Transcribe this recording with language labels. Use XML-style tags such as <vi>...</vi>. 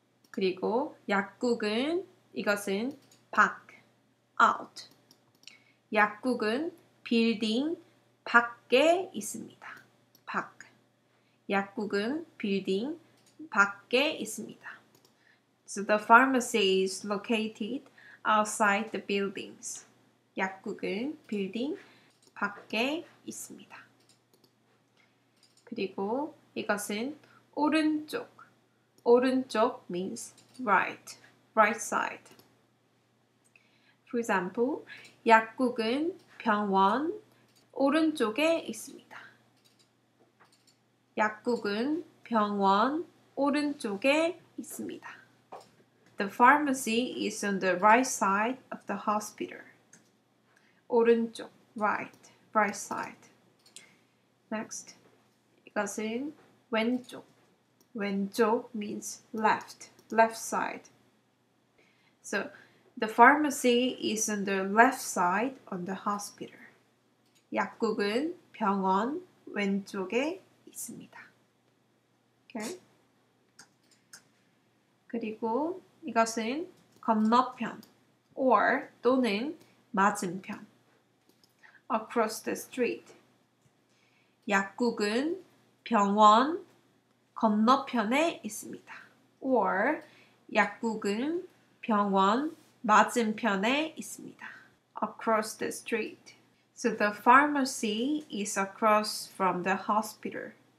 <ko>그리고 약국은 이것은 밖.</ko> <en>Out.</en> <ko>약국은 빌딩 밖에 있습니다. 밖. 약국은 빌딩 밖에 있습니다.</ko> <en>So the pharmacy is located outside the buildings.</en> <ko>약국은 빌딩 밖에 있습니다. 그리고 이것은 오른쪽. 오른쪽</ko> <en>means right. Right side. For example,</en> <ko>약국은 병원 오른쪽에 있습니다. 약국은 병원 오른쪽에 있습니다.</ko> <en>The pharmacy is on the right side of the hospital. 오른쪽, right, right side. Next,</en> <ko>이것은 왼쪽.</ko> <en>왼쪽 means left, left side. So, the pharmacy is on the left side on the hospital.</en> <ko>약국은 병원 왼쪽에 있습니다.</ko> <en>Okay.</en> <ko>그리고 이것은 건너편 or 또는 맞은편.</ko> <en>Across the street.</en> <ko>약국은 병원 건너편에 있습니다. Or 약국은 병원 맞은편에 있습니다.</ko> <en>Across the street. So the pharmacy is across from the hospital.</en>